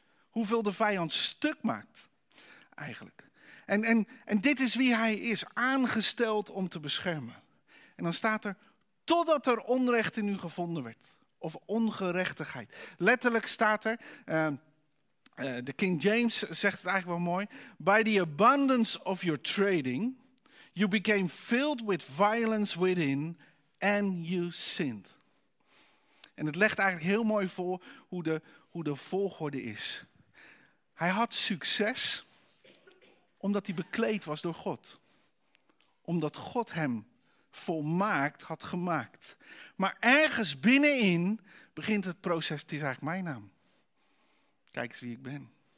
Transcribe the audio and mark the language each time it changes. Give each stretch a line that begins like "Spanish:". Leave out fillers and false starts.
Dutch: Hoeveel de vijand stuk maakt? Eigenlijk. En dit is wie hij is. Aangesteld om te beschermen. En dan staat er, totdat er onrecht in u gevonden werd. Of ongerechtigheid. Letterlijk staat er, de King James zegt het eigenlijk wel mooi.
English: By the abundance of your trading, you became filled with violence within and you sinned.
Dutch: En het legt eigenlijk heel mooi voor hoe de volgorde is. Hij had succes omdat hij bekleed was door God. Omdat God hem volmaakt had gemaakt. Maar ergens binnenin begint het proces, het is eigenlijk mijn naam. Kijk eens wie ik ben.